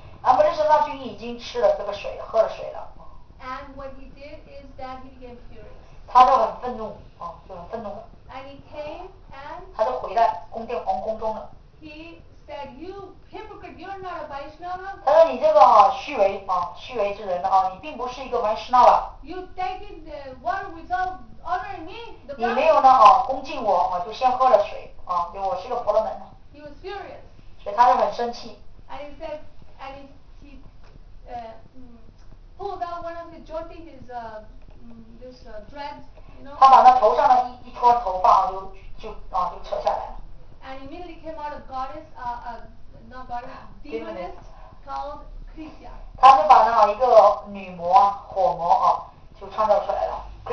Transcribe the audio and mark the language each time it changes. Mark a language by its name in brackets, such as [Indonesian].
[Chinese] Ambarish 那君已经吃了这个水，喝了水了。 [English] And what he did is that he became furious. [Chinese] 他就很愤怒，就很愤怒。 [English] And he came and. [Chinese] 他就回来宫殿皇宫中了。 [English] He said, "You hypocrite! You're not a Vaishnava." [Chinese] 他说你这个虚伪虚伪之人你并不是一个 Vaishnava。 [English] You taken the water without. Honoring me, [Chinese] 你没有呢恭敬我就先喝了水因为我是个婆罗门。 [English] He was furious. [Chinese] 所以他就很生气。 [English] And he said, and he pulled out one of the jyoti, his this dread, you know. [Chinese] 他把那头上的一撮头发就扯下来了。 [English] And immediately came out a goddess, not goddess, demoness called Krishya. [Chinese] 他就把那一个女魔火魔就创造出来了。